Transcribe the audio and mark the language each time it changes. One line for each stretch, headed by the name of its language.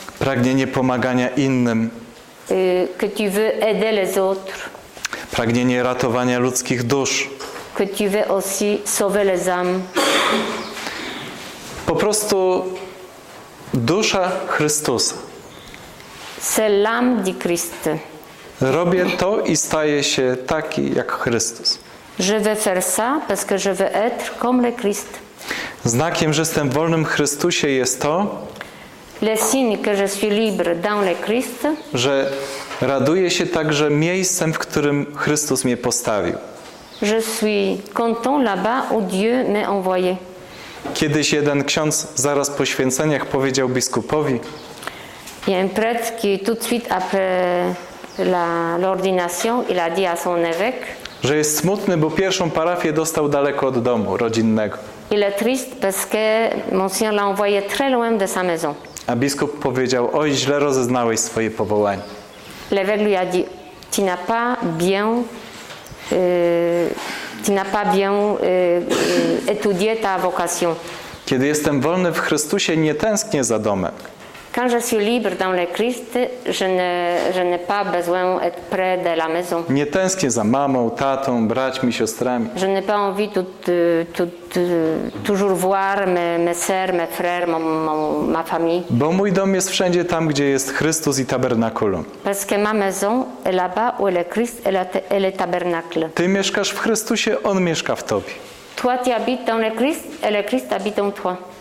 Polish: Pragnienie pomagania innym.
French: Que tu veux aider les autres.
Polish: Pragnienie ratowania ludzkich dusz.
French: Que tu veux aussi sauver les âmes.
Polish: Po prostu dusza Chrystusa.
French: C'est l'âme du Christ.
Polish: Robię to i staję się taki jak Chrystus.
French: Je veux faire ça parce que je veux être comme le Christ.
Polish: Znakiem, że jestem wolnym w Chrystusie jest to,
French: le signe que je suis libre dans le Christ,
Polish: że raduję się także miejscem, w którym Chrystus mnie postawił.
French: Je suis content là-bas où Dieu m'a envoyé.
Polish: Kiedyś jeden ksiądz zaraz po święceniach powiedział biskupowi,
French: il y a un prêtre qui tout de suite après l'ordination, il a dit à son évêque,
Polish: że jest smutny, bo pierwszą parafię dostał daleko od domu rodzinnego.
French: Il est triste parce que monsieur l'a envoyé très loin de sa maison.
Polish: A biskup powiedział: oj, źle rozeznałeś swoje powołanie.
French: L'évêque lui a dit: tu n'as pas bien étudié ta vocation.
Polish: Kiedy jestem wolny w Chrystusie, nie tęsknię za domem.
French: Quand je suis libre dans le Christ, je n'ai pas besoin d'être près de la maison.
Polish: Nie tęsknię za mamą, tatą, braćmi, siostrami.
French: Je n'ai pas envie de toujours voir mes sœurs, mes frères, ma famille.
Polish: Bo mój dom jest wszędzie tam, gdzie jest Chrystus i tabernakulum.
French: Parce que ma maison est là-bas où le Christ et le tabernacle.
Polish: Ty mieszkasz w Chrystusie, on mieszka w tobie.
French: Toi tu habites dans le Christ et le Christ habite en toi.